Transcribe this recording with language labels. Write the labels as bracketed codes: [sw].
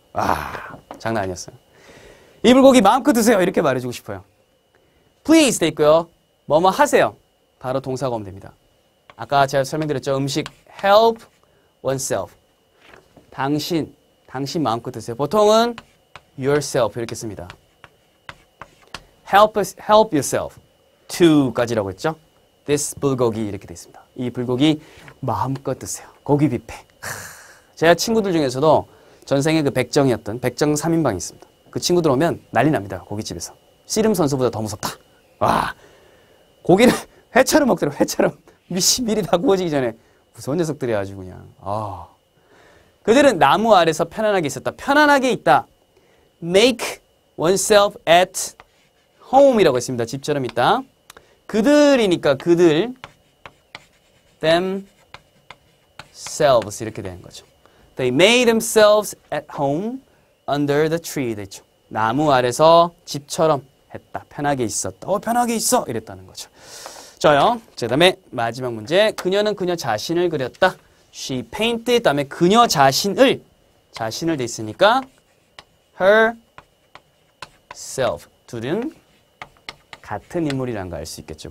[ko] 와 장난 아니었어요. 이 불고기 마음껏 드세요 이렇게 말해주고 싶어요. Please 돼 있고요. 뭐뭐 하세요 바로 동사가 오면 됩니다. 아까 제가 설명드렸죠. 음식 [en] help oneself [ko] 당신 마음껏 드세요. 보통은 yourself 이렇게 씁니다. [en] Help yourself to까지라고 했죠. [ko] This 불고기 이렇게 돼 있습니다. 이 불고기 마음껏 드세요. 고기 뷔페. 제가 친구들 중에서도 전생에 그 백정이었던 백정 3인방이 있습니다. 그 친구들 오면 난리 납니다. 고깃집에서. 씨름 선수보다 더 무섭다. 와 고기를 회처럼 먹더라고. 회처럼. 미리 다 구워지기 전에. 무서운 녀석들이 아주 그냥. 아. 그들은 나무 아래서 편안하게 있었다. 편안하게 있다. [en] Make oneself at home이라고 [ko] 했습니다. 집처럼 있다. 그들이니까 그들 themselves 이렇게 되는 거죠. [en] They made themselves at home under the tree [ko] 됐죠. 나무 아래서 집처럼 했다. 편하게 있었다. 편하게 있어 이랬다는 거죠. 저요. 그 다음에 마지막 문제. 그녀는 그녀 자신을 그렸다. [en] She painted [ko] 다음에 그녀 자신을 돼 있으니까 herself 둘은 같은 인물이란 걸 알 수 있겠죠.